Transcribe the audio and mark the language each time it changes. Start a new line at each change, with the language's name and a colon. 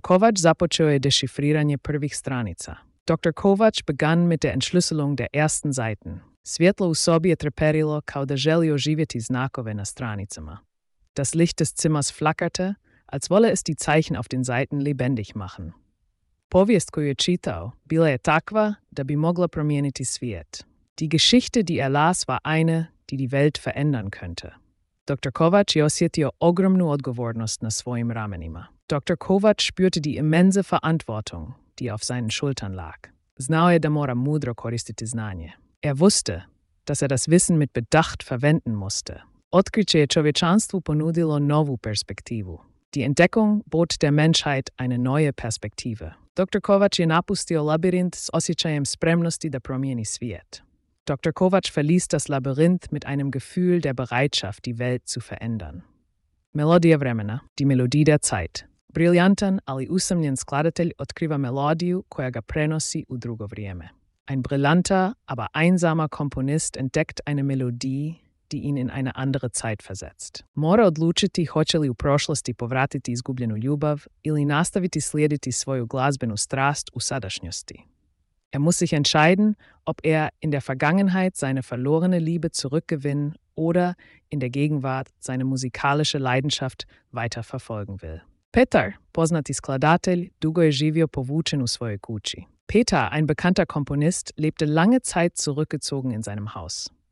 Croatian: Kovač započeo je dešifriranje prvih stranica. Dr. Kovač
German: begann mit der Entschlüsselung der ersten Seiten.
Croatian: Svjetlo u sobi je treperilo kao da želi oživjeti znakove na stranicama.
German: Das Licht des Zimmers flackerte, als wolle es die Zeichen auf den Seiten lebendig machen.
Croatian: Povijest koju je čitao bila je takva da bi mogla promijeniti svijet.
German: Die Geschichte, die er las, war eine, die die Welt verändern könnte. Dr.
Croatian: Kovač je osjetio ogromnu odgovornost na svojim ramenima. Dr.
German: Kovač spürte die immense Verantwortung, die auf seinen Schultern lag.
Croatian: Znao je da mora mudro koristiti znanje.
German: Er wusste, dass er das Wissen mit Bedacht verwenden musste.
Croatian: Otkriće je čovječanstvu ponudilo novu perspektivu.
German: Die Entdeckung bot der Menschheit eine neue Perspektive. Dr.
Croatian: Kovač je napustio labirint s osjećajem spremnosti da promijeni svijet. Dr.
German: Kovač verließ das Labyrinth mit einem Gefühl der Bereitschaft, die Welt zu verändern.
Croatian: Melodija vremena,
German: die Melodie der Zeit.
Croatian: Briljantan, ali usamljen skladatelj otkriva melodiju koja ga prenosi u drugo vrijeme.
German: Ein brillanter, aber einsamer Komponist entdeckt eine Melodie, die ihn in eine andere Zeit versetzt.
Croatian: Mora odlučiti hoće li u prošlosti povratiti izgubljenu ljubav ili nastaviti slijediti svoju glazbenu strast u sadašnjosti.
German: Er muss sich entscheiden, ob er in der Vergangenheit seine verlorene Liebe zurückgewinnen oder in der Gegenwart seine musikalische Leidenschaft weiter verfolgen will.
Croatian: Petar, poznati skladatelj, dugo je živio povučen u svojoj kući.
German: Petar, ein bekannter Komponist, lebte lange Zeit zurückgezogen in seinem Haus.